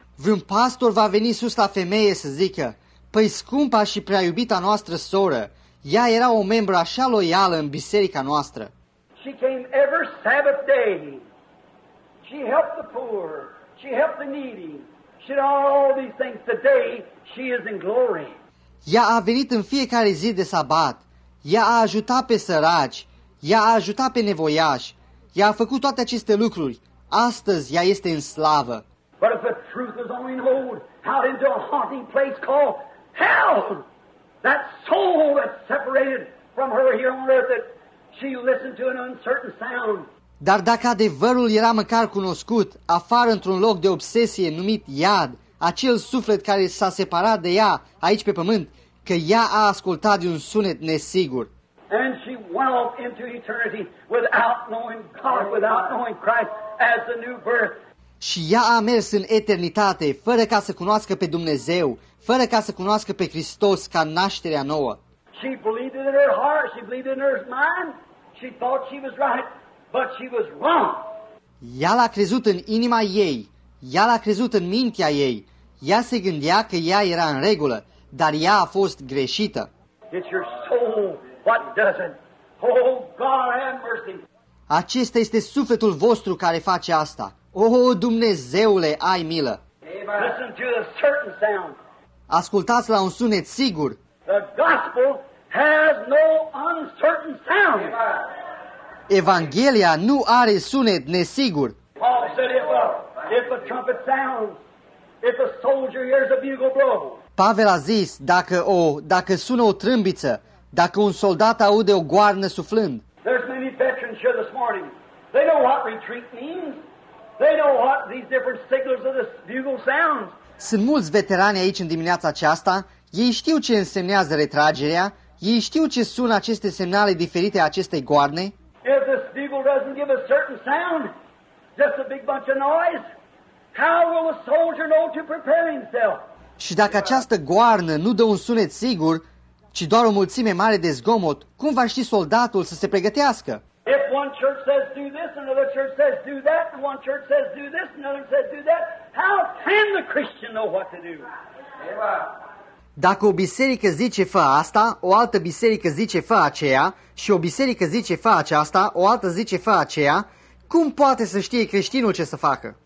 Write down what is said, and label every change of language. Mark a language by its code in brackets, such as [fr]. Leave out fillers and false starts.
[ro] Vreun pastor va veni sus la femeie să zică, păi scumpa și prea iubita noastră soră, ea era o membră așa loială în biserica noastră. [en] She came every Sabbath day. She helped the poor. She helped the needy. She did all these things. Today, she is in glory. [ro] Ea a venit în fiecare zi de sabat. Ea a ajutat pe săraci. Ea a ajutat pe nevoiași. Ea a făcut toate aceste lucruri. Astăzi, ea este în slavă. [en] But if the truth is only known out into a haunting place called hell, that soul that's separated from her here on earth, that she listened to an uncertain sound. [ro] Dar dacă adevărul era măcar cunoscut, afară într-un loc de obsesie numit iad, acel suflet care s-a separat de ea aici pe pământ, că ea a ascultat de un sunet nesigur. [en] And she went off into eternity without knowing God, without knowing Christ as the new birth. [ro] Și ea a mers în eternitate fără ca să cunoască pe Dumnezeu, fără ca să cunoască pe Hristos ca nașterea nouă. [en] She believed it in her heart, she believed it in her mind. She thought she was right, but she was wrong. [ro] Ea l-a crezut în inima ei, ea l-a crezut în mintea ei. Ea se gândea că ea era în regulă, dar ea a fost greșită. [en] It's your soul what doesn't. Oh God, have mercy. [ro] Acesta este sufletul vostru care face asta. Oh, Dumnezeule, ai milă! [en] Listen to a certain sound. [ro] Ascultați la un sunet sigur. [en] The gospel has no uncertain sound. [ro] Evanghelia nu are sunet nesigur. [en] Paul said it well. If a trumpet sounds, if a soldier hears a bugle blow. [ro] Pavel a zis, dacă sună o trâmbiță, dacă un soldat aude o goarnă suflând. [en] There's many veterans here this morning. They know what retreat means. They know what these different signals of the bugle sounds. [ro] Sunt mulți veterani aici în dimineața aceasta. Ei știu ce însemnează retragerea. Ei știu ce sună aceste semnale diferite a acestei goarne. [en] If this bugle doesn't give a certain sound, just a big bunch of noise, how will a soldier know to prepare himself? [ro] Și dacă această goarnă nu dă un sunet sigur, ci doar o mulțime mare de zgomot, cum va ști soldatul să se pregătească? [en] If one church says do this, another church says do that, and one church says do this, another says do that, how can the Christian know what to do? [ro] Dacă o biserică zice fă asta, o altă biserică zice fă aceea, și o biserică zice fă aceasta, o altă zice fă aceea, cum poate să știe creștinul ce să facă?